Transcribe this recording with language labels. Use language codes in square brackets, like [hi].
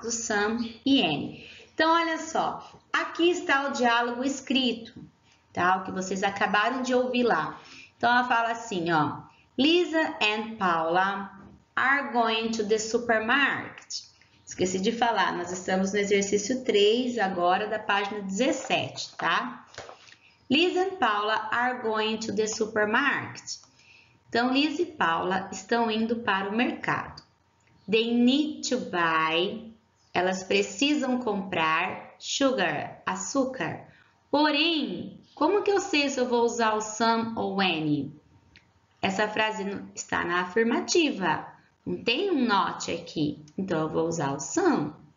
[pt] Do some e any. Então, olha só, aqui está o diálogo escrito, tá? O que vocês acabaram de ouvir lá. Então, ela fala assim, ó: [en] Lisa and Paula are going to the supermarket. [pt] Esqueci de falar, nós estamos no exercício 3 agora da página 17, tá? [en] Liz and Paula are going to the supermarket. [pt] Então, Liz e Paula estão indo para o mercado. [en] They need to buy, [pt] elas precisam comprar sugar, açúcar. Porém, como que eu sei se eu vou usar o some ou any? Essa frase está na afirmativa, não tem um not aqui, então eu vou usar o some.